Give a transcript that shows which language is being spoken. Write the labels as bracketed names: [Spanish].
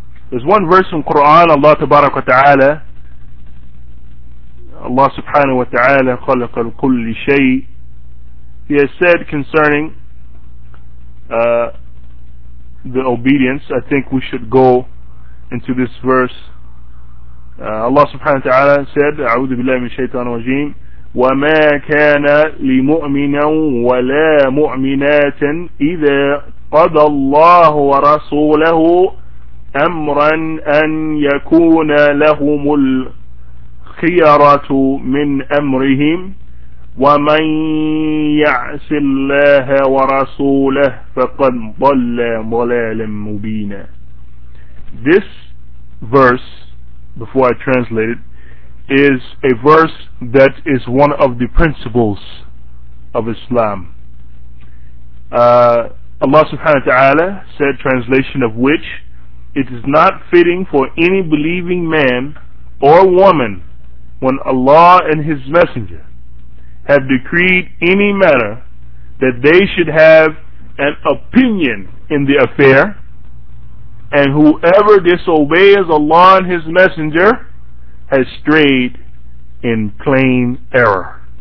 [English] There's one verse in Quran, Allah tabarak wa ta'ala, Allah subhanahu wa ta'ala khalaq al kulli shay. He has said concerning the obedience, I think we should go into this verse. Allah subhanahu wa ta'ala said, [Arabic] A'udhu billahi min shaitan wajim, وَمَا كَانَ لِمُؤْمِنًا وَلَا مُؤْمِنَاتٍ إِذَا قَضَى اللَّهُ وَرَسُولَهُ أَمْرًا أَن يَكُونَ لَهُمُ الْخِيَرَةُ مِنْ أَمْرِهِمْ وَمَنْ يَعْصِ اللَّهَ وَرَسُولَهُ فَقَدْ ضَلَّ ضَلَالًا مُبِينًا. [English] This verse, before I translate it, is a verse that is one of the principles of Islam. Allah subhanahu wa ta'ala said, translation of which, it is not fitting for any believing man or woman when Allah and His Messenger have decreed any matter that they should have an opinion in the affair, and whoever disobeys Allah and His Messenger has strayed in plain error.